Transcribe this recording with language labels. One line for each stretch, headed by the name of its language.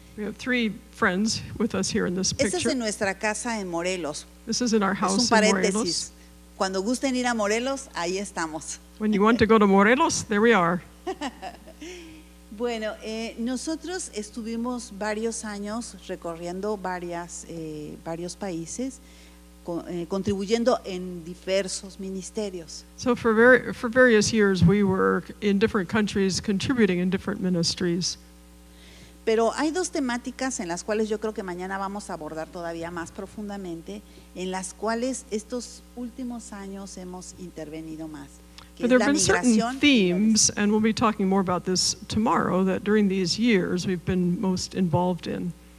English: We have three friends with us here in this picture.
Spanish: Esta es en nuestra casa en Morelos.
English: This is in our house
Spanish: es un paréntesis.
English: In Morelos.
Spanish: Cuando gusten ir a Morelos, ahí estamos.
English: When you want to go to Morelos, there we are.
Spanish: Bueno, nosotros estuvimos varios años recorriendo varios países, contribuyendo en diversos ministerios.
English: So for various years, we were in different countries contributing in different ministries.
Spanish: Pero hay dos temáticas en las cuales yo creo que mañana vamos a abordar todavía más profundamente, en las cuales estos últimos años hemos intervenido más.
English: But there have been certain themes, and we'll be talking more about this tomorrow, that during these years we've been most involved in.